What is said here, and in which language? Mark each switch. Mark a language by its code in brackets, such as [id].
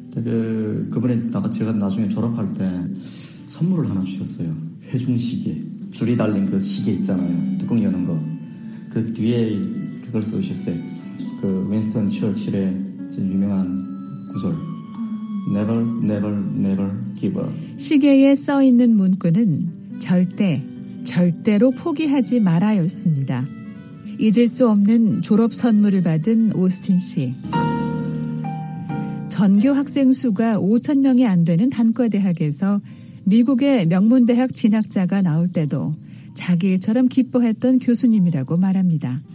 [ko] 그분이 제가 나중에 졸업할 때 선물을 하나 주셨어요. 회중시계. 줄이 달린 그 시계 있잖아요. 뚜껑 여는 거. 그 뒤에 그걸 쓰셨어요. 그 윈스턴 처칠의 유명한 구절. [en] Never, never, never give up. [ko] 시계에 써 있는 문구는 절대, 절대로 포기하지 말아였습니다. 잊을 수 없는 졸업 선물을 받은 오스틴 씨. 전교 학생 수가 5천 명이 안 되는 단과대학에서 미국의 명문대학 진학자가 나올 때도 자기 일처럼 기뻐했던 교수님이라고 말합니다.